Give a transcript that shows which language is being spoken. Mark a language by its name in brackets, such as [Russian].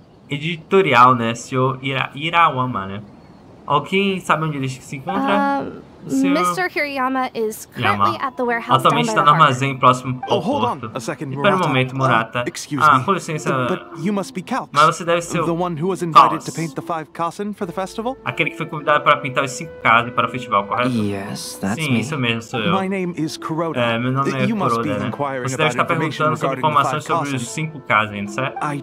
[Portuguese] Editorial, né? Senhor Hirayama, né? Alguém sabe onde ele se encontra? [English] Mr. Hirayama is currently at the warehouse. [Portuguese] Atualmente está no armazém próximo ao porto. Espera um momento, Murata. Com licença. Mas você deve ser o Kaos. Aquele que foi convidado para pintar os 5 Kaos para o festival, correto? Sim, isso mesmo, sou eu. Meu nome é Kuroda, né? Você deve estar perguntando sobre informações sobre os 5 Kaos, certo?